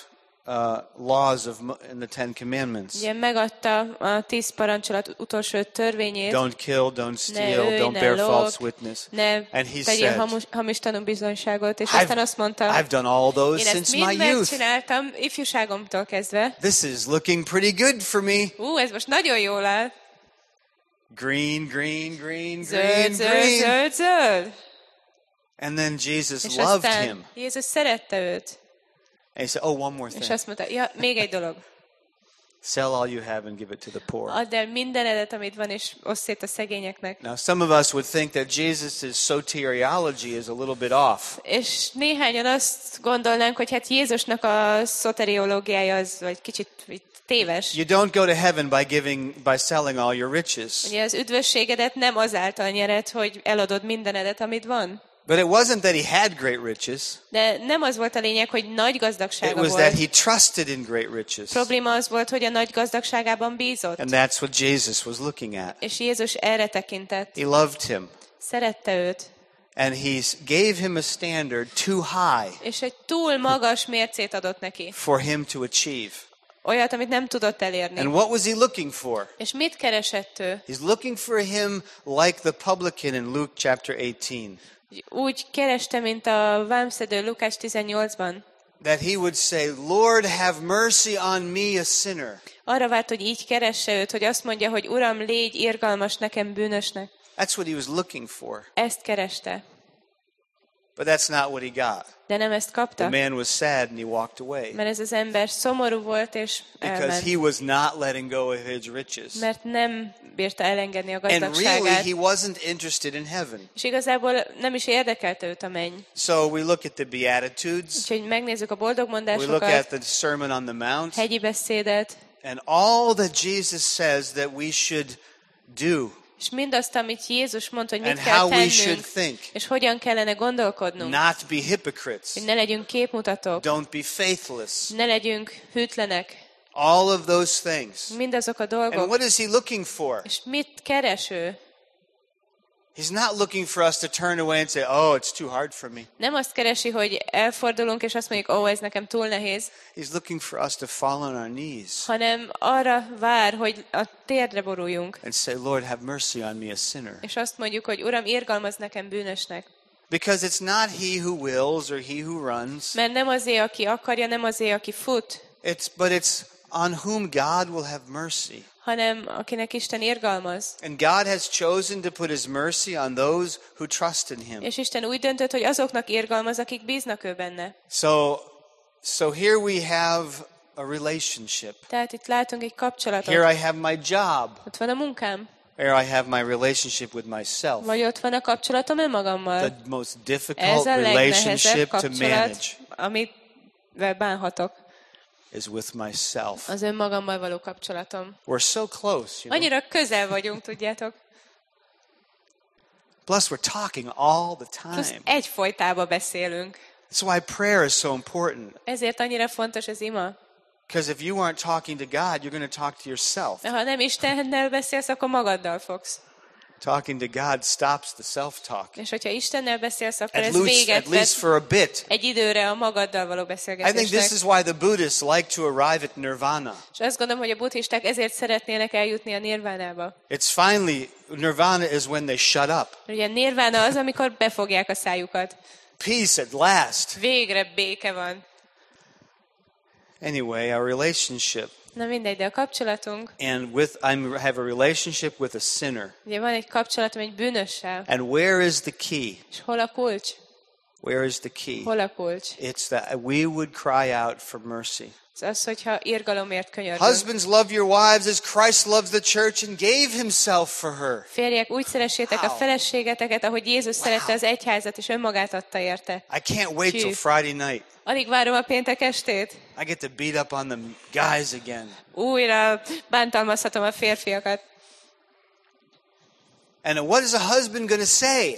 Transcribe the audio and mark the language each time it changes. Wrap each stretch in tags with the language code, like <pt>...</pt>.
<en>He gave the last five laws in the Ten Commandments.</en> <hu>Igen, megadta a 10 parancsolat utolsó törvényét.</hu> <en>Don't kill, don't steal, don't bear false witness. And he said,</en> <hu>hamis tanú bizonyságot, és aztán azt mondta,</hu> <en>I've done all those since my youth.</en> <hu>Én ezt mind megcsináltam ifjúságomtól kezdve.</hu> <en>This is looking pretty good for me.</en> <hu>Ez most nagyon jól áll.</hu> <en>Green, green, green, green, green.</en> <hu>Zöld, zöld.</hu> <en>And then Jesus loved him.</en> <hu>Jézus szerette őt.</hu> <en>And he said, oh, one more thing.</en> <hu>És azt mondta, ja, még egy dolog.</hu> <en>Sell all you have and give it to the poor.</en> <hu>Add el mindenedet, amit van, és oszd szét a szegényeknek.</hu> <en>Now, some of us would think that Jesus's soteriology is a little bit off.</en> <hu>És néhányan azt gondolnánk, hogy hát Jézusnak a szoteriológiája az vagy kicsit téves.</hu> <en>You don't go to heaven by giving, by selling all your riches.</en> <hu>Az üdvösségedet nem azáltal nyered, hogy eladod mindenedet, amit van.</hu> <en>But it wasn't that he had great riches.</en> <hu>De nem az volt a lényeg, hogy nagy gazdagsága volt.</hu> <en>It was that he trusted in great riches.</en> <hu>Probléma az volt, hogy a nagy gazdagságában bízott.</hu> <en>And that's what Jesus was looking at.</en> <hu>És Jézus erre tekintett.</hu> <en>He loved him.</en> <hu>Szerette őt.</hu> <en>And he gave him a standard too high.</en> <hu>És egy túl magas mércét adott neki.</hu> <en>For him to achieve.</en> <hu>Olyat, amit nem tudott elérni.</hu> <en>And what was he looking for?</en> <hu>És mit keresett ő?</hu> <en>He's looking for him like the publican in Luke chapter 18.</en> <hu>Úgy kereste, mint a vámszedő Lukács 18-ban.</hu> <en>That he would say, Lord, have mercy on me, a sinner.</en> <hu>Arra várt, hogy így keresse őt, hogy azt mondja, hogy Uram, légy irgalmas nekem bűnösnek.</hu> <en>That's what he was looking for.</en> <hu>Ezt kereste.</hu> <en>But that's not what he got.</en> <hu>De nem ezt kapta.</hu> <en>The man was sad and he walked away.</en> <hu>Mert ez az ember szomorú volt és elment.</hu> <en>Because he was not letting go of his riches.</en> <hu>Mert nem bírta elengedni a gazdagságát.</hu> <en>And really he wasn't interested in heaven.</en> <hu>És igazából nem is érdekelte őt a menny.</hu> <en>So we look at the Beatitudes.</en> <hu>Úgyhogy megnézzük a boldogmondásokat.</hu> <en>We look at the Sermon on the Mount.</en> <hu>Hegyi beszédet.</hu> <en>And all that Jesus says that we should do.</en> <hu>És mindazt, amit Jézus mondta, hogy mit kell tennünk, és hogyan kellene gondolkodnunk.</hu> <en>Not be hypocrites.</en> <hu>Hogy ne legyünk képmutatók.</hu> <en>Don't be faithless.</en> <hu>Ne legyünk hűtlenek.</hu> <en>All of those things.</en> <hu>Mindazok a dolgok.</hu> <en>And what is he looking for?</en> <hu>És mit keres ő?</hu> <en>He's not looking for us to turn away and say, oh, it's too hard for me.</en> <hu>Nem azt keresi, hogy elfordulunk és azt mondjuk, ó, ez nekem túl nehéz.</hu> <en>He's looking for us to fall on our knees.</en> <hu>Hanem arra vár, hogy a térdre boruljunk.</hu> <en>And say, Lord, have mercy on me, a sinner.</en> <hu>És azt mondjuk, hogy Uram, irgalmazz nekem bűnösnek.</hu> <en>Because it's not he who wills or he who runs.</en> <hu>Mert nem azé, aki akarja, nem azé, aki fut.</hu> <en>But it's on whom God will have mercy.</en> <hu>Hanem akinek Isten irgalmaz.</hu> <en>And God has chosen to put his mercy on those who trust in him.</en> <hu>És Isten úgy döntött, hogy azoknak irgalmaz, akik bíznak ő benne.</hu> <en>So here we have a relationship.</en> <hu>Tehát itt látunk egy kapcsolatot.</hu> <en>Here I have my job.</en> <hu>Ott van a munkám.</hu> <en>Here I have my relationship with myself.</en> <hu>Vagy ott van a kapcsolatom önmagammal.</hu> <en>The most difficult relationship to manage.</en> <hu>Amivel bánhatok.</hu> <en>Is with myself.</en> <hu>Az önmagammal való kapcsolatom.</hu> <en>We're so close, you know.</en> <hu>Annyira közel vagyunk, tudjátok.</hu> <en>Plus we're talking all the time.</en> <hu>Plusz egyfolytában beszélünk.</hu> <en>That's why prayer is so important.</en> <hu>Ezért annyira fontos az ima.</hu> <en>Because if you aren't talking to God, you're going to talk to yourself.</en> <hu>Ha nem Istennel beszélsz, akkor magaddal fogsz.</hu> <en>Talking to God stops the self-talk.</en> <hu>És hogyha Istennel beszélsz, akkor ez véget vet</hu> <en>for a bit.</en> <hu>Egy időre a magaddal való beszélgetésnek.</hu> <en>I think this is why the Buddhists like to arrive at nirvana.</en> <hu>És azt gondolom, hogy a buddhisták ezért szeretnének eljutni a nirvánába.</hu> <en>It's finally nirvana is when they shut up.</en> <hu>Ugye nirvana az, amikor befogják a szájukat.</hu> <en>Peace at last.</en> <hu>Végre béke van.</hu> <en>Anyway, our relationship.</en> <hu>Na mindegy, de a kapcsolatunk.</hu> <en>And with I have a relationship with a sinner.</en> <hu>Ugye van egy kapcsolatom egy bűnössel.</hu> <en>And where is the key?</en> <hu>És hol a kulcs?</hu> <en>Where is the key?</en> <hu>Hol a kulcs?</hu> <en>It's that we would cry out for mercy.</en> <hu>Az, hogyha irgalomért könyörgünk.</hu> <en>Husbands, love your wives as Christ loved the church and gave himself for her.</en> <hu>Férjek, úgy szeressétek a feleségeteket, ahogy Jézus szerette az egyházat és önmagát adta érte.</hu> <en>I can't wait till Friday night.</en> <hu>Alig várom a péntek estét.</hu> <en>I get to beat up on the guys again.</en> <hu>Újra bántalmazhatom a férfiakat.</hu> <en>And what is a husband going to say?</en>